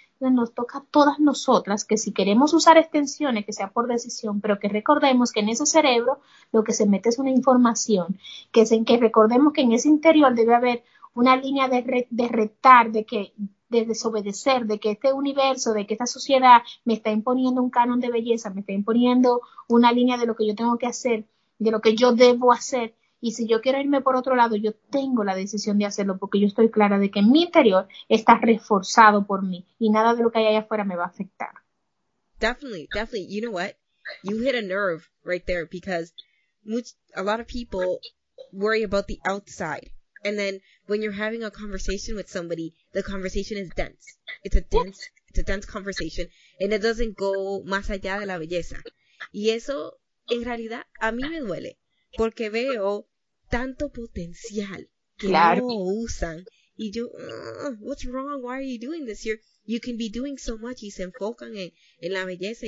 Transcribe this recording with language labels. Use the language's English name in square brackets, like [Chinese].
[Spanish] Nos toca a todas nosotras que si queremos usar extensiones, que sea por decisión, pero que recordemos que en ese cerebro lo que se mete es una información, que es en que recordemos que en ese interior debe haber una línea de retar, de que de desobedecer, de que este universo, de que esta sociedad me está imponiendo un canon de belleza, me está imponiendo una línea de lo que yo tengo que hacer, de lo que yo debo hacer. Y si yo quiero irme por otro lado, yo tengo la decisión de hacerlo porque yo estoy clara de que en mi interior está reforzado por mí y nada de lo que hay allá afuera me va a afectar. [English] Definitely, definitely. You know what? You hit a nerve right there because a lot of people worry about the outside. And then when you're having a conversation with somebody, the conversation is dense. It's a dense conversation and it doesn't go [Spanish] más allá de la belleza. Y eso en realidad a mí me duele porque veo tanto potencial que no Claro. usan y yo, [English] what's wrong? Why are you doing this? You can be doing so much [Spanish] y se enfocan en la belleza.